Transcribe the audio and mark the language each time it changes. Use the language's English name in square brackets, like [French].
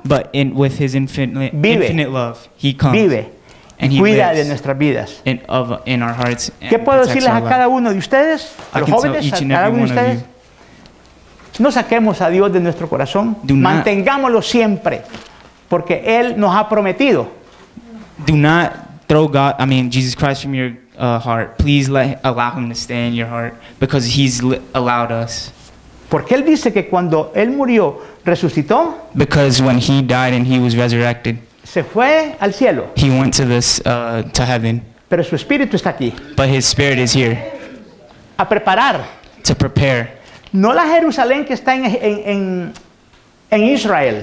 [English] But in with his infinite love, he comes. [Spanish] Vive. [English] And he [Spanish] cuida de nuestras vidas. [English] In our hearts. [Spanish] ¿Qué puedo decirles a cada uno de ustedes? A los jóvenes, a cada uno de ustedes. No saquemos a Dios de nuestro corazón. Mantengámoslo siempre, porque él nos ha prometido. [English] Do not throw God, I mean Jesus Christ, from your heart. Please allow him to stay in your heart because he's allowed us. [Spanish] Porque él dice que cuando él murió, resucitó. [English] Because when he died and he was resurrected, [Spanish] se fue al cielo. [English] He went to this to heaven. [Spanish] Pero su espíritu está aquí. [English] But his spirit is here. [Spanish] A preparar. [English] To prepare. [Spanish] No la Jerusalén que está en Israel.